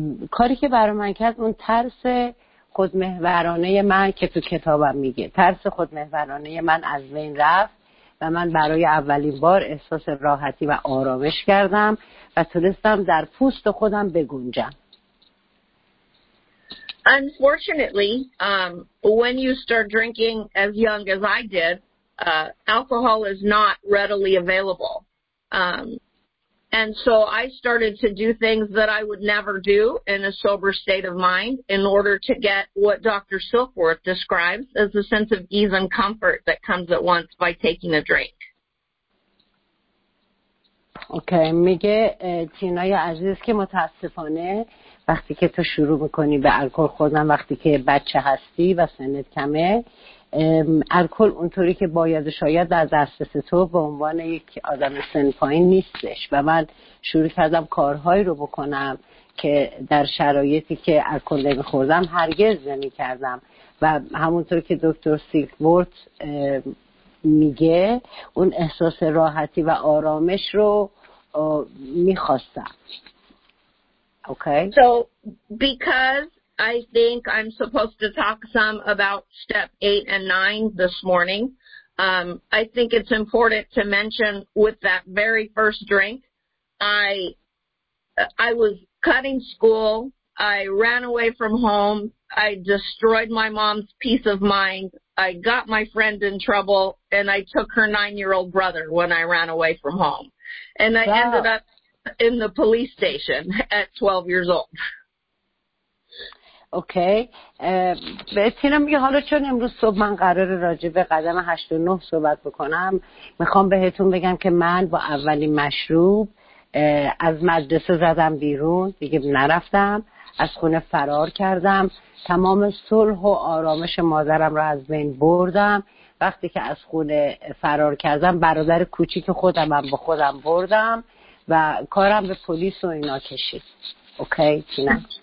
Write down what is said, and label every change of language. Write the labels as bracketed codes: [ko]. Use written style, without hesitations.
[fa] کاری که برای من کرد اون ترس خودمحورانه من که تو کتابم میگه ترس خودمحورانه من از بین رفت و من برای اولین بار احساس راحتی و آرامش کردم و تونستم در پوست خودم بگنجم. [en] Unfortunately, when you start drinking as young as I did, alcohol is not readily available. And so I started to do things that I would never do in a sober state of mind in order to get what Dr. Silkworth describes as the sense of ease and comfort that comes at once by taking a drink. [fa] Okay, میگه تینای عزیز که متاسفانه وقتی که تو شروع میکنی به الکل خوردن وقتی که بچه هستی و سنت کمه الکل اونطوری که باید و شاید در دسترس تو به عنوان یک آدم سن پایین نیستش و من شروع کردم کارهایی رو بکنم که در شرایطی که الکل نمیخوردم هرگز نمی کردم و همونطور که دکتر سیلکورت میگه اون احساس راحتی و آرامش رو میخواستم. [en] Okay. So because I think I'm supposed to talk some about step 8 and 9 this morning, I think it's important to mention with that very first drink, I I was cutting school. I ran away from home. I destroyed my mom's peace of mind. I got my friend in trouble, and I took her 9-year-old brother when I ran away from home. And I ended up in the police station at 12 years old. [fa] اوکی بهتینا میگه حالا چون امروز صبح من قراره راجع به قدم 89 صحبت بکنم میخوام بهتون بگم که من با اولین مشروب از مدرسه زدم بیرون دیگه نرفتم از خونه فرار کردم تمام صلح و آرامش مادرم رو از بین بردم وقتی که از خونه فرار کردم برادر کوچیک خودم هم با خودم بردم و کارم به پلیس و اینا کشید اوکی تینا